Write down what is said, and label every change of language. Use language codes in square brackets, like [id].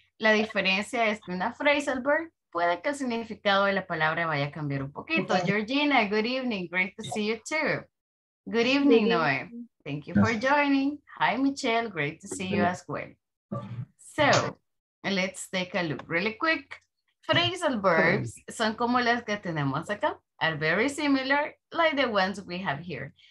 [es] La diferencia es que una phrasal verb puede que el significado de la palabra vaya a cambiar un poquito. [en] Okay. Georgina, good evening, great to see you too. Good evening, Noe. Thank you for joining. Hi, Michelle. Great to see you as well. So, let's take a look really quick. [es] Phrasal verbs son como las que tenemos acá. [en] Are very similar like the ones we have here.